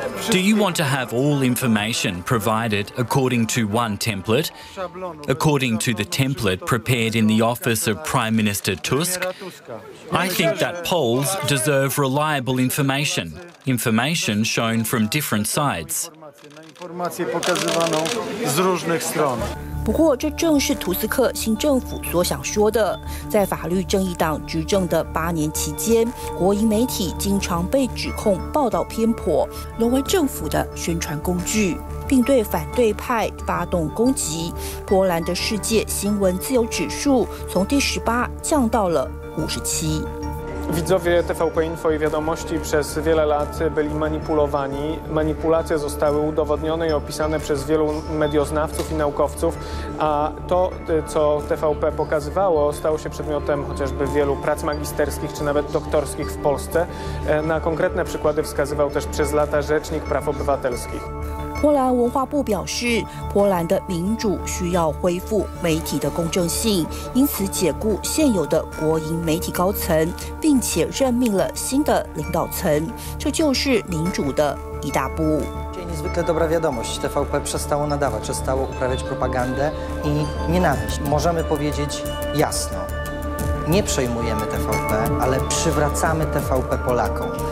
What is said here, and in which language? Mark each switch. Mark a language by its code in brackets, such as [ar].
[en] Do you want to have all information provided according to one template, according to the template prepared in the office of Prime Minister Tusk? I think that Poles deserve reliable information, information shown from different sides. [zh] 不过，这正是图斯克新政府所想说的。在法律正义党执政的8年期间，国营媒体经常被指控报道偏颇，沦为政府的宣传工具，并对反对派发动攻击。波兰的世界新闻自由指数从第18降到了57。 [pl] Widzowie TVP Info i Wiadomości przez wiele lat byli manipulowani. Manipulacje zostały udowodnione i opisane przez wielu medioznawców i naukowców, a to, co TVP pokazywało, stało się przedmiotem chociażby wielu prac magisterskich czy nawet doktorskich w Polsce. Na konkretne przykłady wskazywał też przez lata Rzecznik Praw Obywatelskich. [zh] 波兰文化部表示，波兰的民主需要恢复媒体的公正性，因此解雇现有的国营媒体高层，并且任命了新的领导层，这就是民主的一大步。 [pl] Niezwykle dobra wiadomość. TVP przestało nadawać, przestało uprawiać propagandę i nienawiść. Możemy powiedzieć jasno: nie przejmujemy TVP, ale przywracamy TVP Polakom.